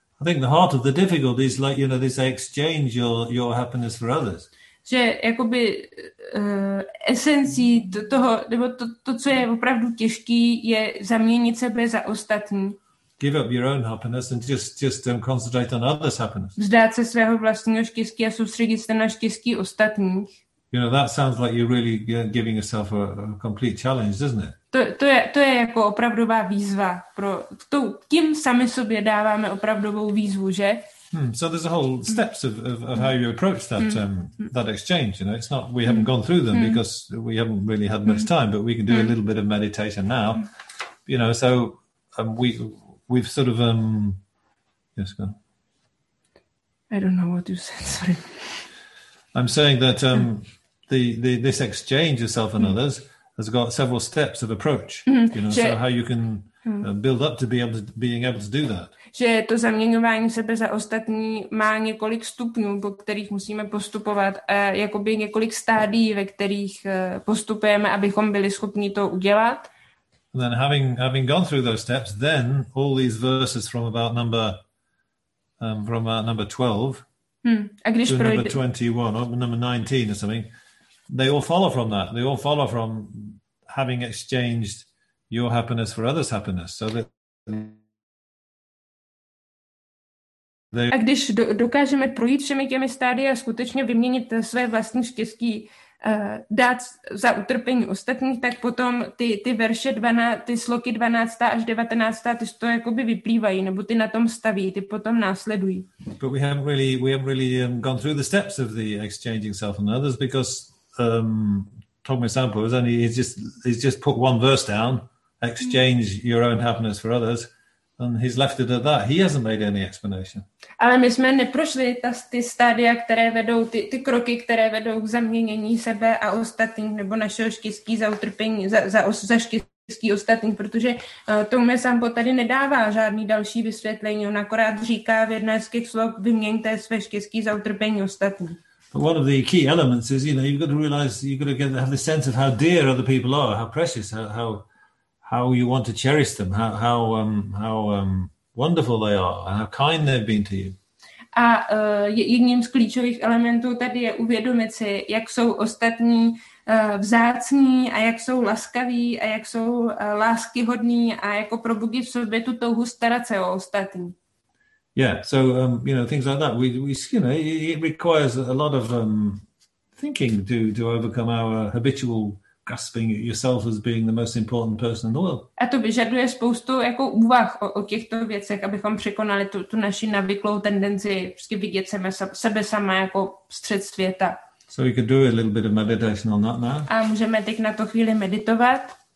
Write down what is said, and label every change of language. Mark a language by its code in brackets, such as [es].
[en] I think the heart of the difficulty is like, you know, this exchange your happiness for others. [cs] Že jakoby esencí toho, nebo to, co je opravdu těžký, je zaměnit sebe za ostatní. [en] Give up your own happiness and just concentrate on others' happiness. [cs] Vzdát se svého vlastního štěstí a soustředit se na štěstí ostatních. [en] You know, that sounds like you're really giving yourself a complete challenge, doesn't it? [cs] To je jako opravdová výzva pro to, tím sami sobě dáváme opravdovou výzvu, že? [en] So there's a whole steps of how you approach that that exchange, you know. It's not we haven't gone through them because we haven't really had much time, but we can do a little bit of meditation now. You know, so we've sort of yes, go. I don't know what you said, sorry. I'm saying that this exchange of self and others has got several steps of approach. You know, so how you can build up to being able to do that. [cs] Že to zaměňování sebe za ostatní má několik stupňů, po kterých musíme postupovat, a jakoby několik stádií, ve kterých postupujeme, abychom byli schopni to udělat. [en] And then having gone through those steps, then all these verses from about number 12. [cs] A když [en] to number 21 or number 19 or something, they all follow from that. They all follow from having exchanged your happiness for others' happiness. So that [cs] A když dokážeme projít všemi těmi stády a skutečně vyměnit své vlastní štěstí, dát za utrpení ostatních, tak potom ty verše 12, ty sloky 12. až 19. ty to jakoby vyplývají, nebo ty na tom staví, ty potom následují. [en] But we haven't really gone through the steps of the exchanging self and others, because Tom Sampo is only he's just put one verse down, exchange your own happiness for others. And he's left it at that. He hasn't made any explanation. [cs] Ale my jsme neprošli ty stádia, které vedou, ty kroky, které vedou k zaměnění sebe a ostatních, nebo našeho štěstí za utrpení, za štěstí ostatních, protože Tomé Sampo tady nedává žádný další vysvětlení. On akorát říká v jedné z těch slov, vyměňte své štěstí za utrpení ostatních. [en] But one of the key elements is, you know, you've got to realize, you've got to get, have the sense of how dear other people are, how precious, how you want to cherish them, how wonderful they are, and how kind they've been to you. [cs] A jedním z klíčových elementů tady je uvědomit si, jak jsou ostatní vzácní a jak jsou laskaví a jak jsou láskyhodní a jako probudit v sobě tu touhu starat se o ostatní. [en] Yeah, so you know, things like that. We you know, it requires a lot of thinking to overcome our habitual grasping at yourself as being the most important person in the world. [cs] A to vyžaduje spoustu jako úvah o těchto věcech, abychom překonali tu naši navyklou tendenci vždycky vidět sebe sama jako střed světa. [en] So we could do a little bit of meditation on that now. [cs] A můžeme teď na to chvíli meditovat.